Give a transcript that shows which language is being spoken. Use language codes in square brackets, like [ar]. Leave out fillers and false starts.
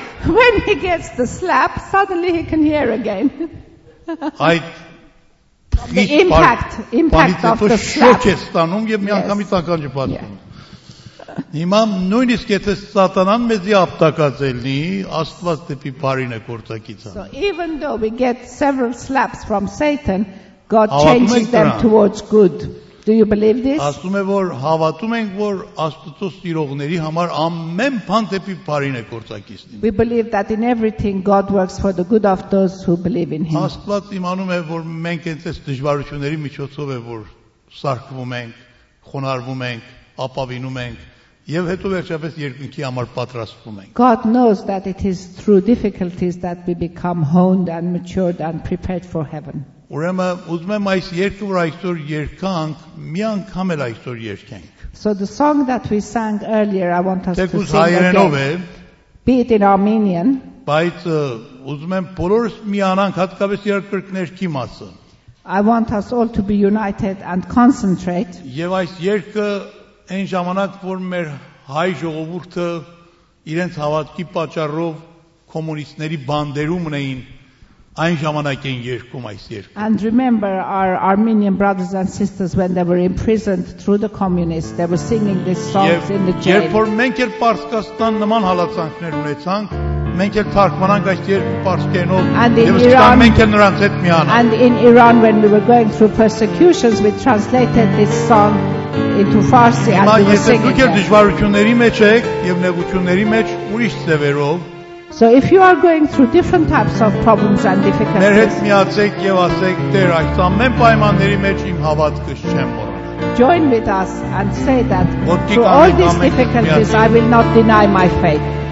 [en] When he gets the slap, suddenly he can hear again. Այ The impact of the slap. [hy] Շոք է ստանում եւ մի անգամից ականջը բացվում։ Հիմա նույնիսկ եթե Սատանան մեզի ապտակած լինի, Աստված դեպի բարին է գործակից անում։ [en] So even though we get several slaps from Satan, God changes them towards good. Do you believe this? [hy] Ասում է, որ հավատում ենք, որ Աստծո սիրողների համար ամեն բան դեպի բարին է գործակից լինում։ [en] We believe that in everything God works for the good of those who believe in him. [hy] Աստված իմանում է, որ մենք այս դժվարությունների միջոցով է որ սարքվում ենք, խոնարհվում ենք, ապավինում ենք։ Եվ հետո վերջապես երկնքի համար պատրաստվում ենք։ [en] God knows that it is through difficulties that we become honed and matured and prepared for heaven. [hy] Ուրեմն ուզում եմ այս երգը, որ այսօր երգանք, մի անգամ էլ այսօր երգենք։ [en] So the song that we sang earlier, I want us to sing again. Be it in Armenian. [hy] Բայց ուզում եմ բոլորս միանանք, հատկապես երկրորդ ներքի մասը։ [en] I want us all to be united and concentrate. [hy] Եվ այս երգը այն ժամանակ, որ մեր հայ ժողովուրդը իրենց հավատքի պատճառով կոմունիստների բանդերում ունեին, այն ժամանակ են երգում այս երգը։ [en] And remember our Armenian brothers and sisters when they were imprisoned through the communists, they were singing these songs in the jail. [hy] Երբ որ մենք էլ Պարսկաստան նման հալածանքներ ունեցանք, մենք էլ թարգմանանք այս երգը պարսկենով, եւ սկսանք մենք էլ նրանց հետ միանալ։ [en] And in Iran when we were going through persecutions, we translated this song [hy] Հիմա եթե դուք եք դժվարությունների մեջ եք եւ նեղությունների մեջ ուրիշ ձևերով [en] So if you are going through different types of problems and difficulties [hy] Մեր հետ միացեք եւ ասեք Տեր այս ամեն պայմանների մեջ իմ հավատքս չեմ մոռանա [en] Join with us and say that through all these difficulties I will not deny my faith